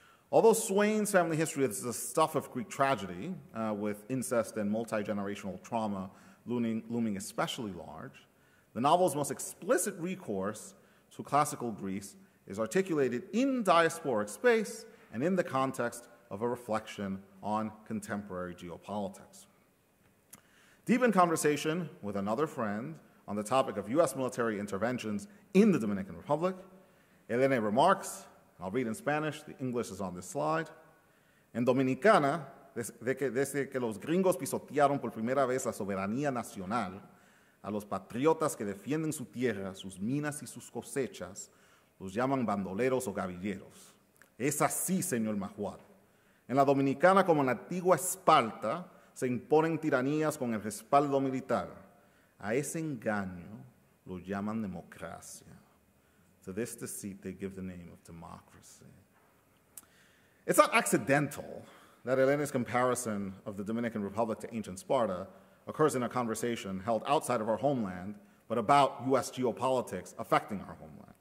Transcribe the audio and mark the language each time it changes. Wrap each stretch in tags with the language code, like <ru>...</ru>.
<en>Although Swain's family history is the stuff of Greek tragedy, with incest and multi-generational trauma looming especially large, the novel's most explicit recourse to classical Greece is articulated in diasporic space and in the context of a reflection on contemporary geopolitics. Deep in conversation with another friend on the topic of US military interventions in the Dominican Republic, Elena remarks, and I'll read in Spanish, the English is on this slide,</en> <es>en Dominicana, desde que los gringos pisotearon por primera vez la soberanía nacional, a los patriotas que defienden su tierra, sus minas y sus cosechas, los llaman bandoleros o gavilleros. Es así, señor Majuar. En la Dominicana, como en la antigua Esparta, se imponen tiranías con el respaldo militar. A ese engaño lo llaman democracia.</es> <en>To this deceit, they give the name of democracy. It's not accidental that Elena's comparison of the Dominican Republic to ancient Sparta occurs in a conversation held outside of our homeland, but about US geopolitics affecting our homeland.</en>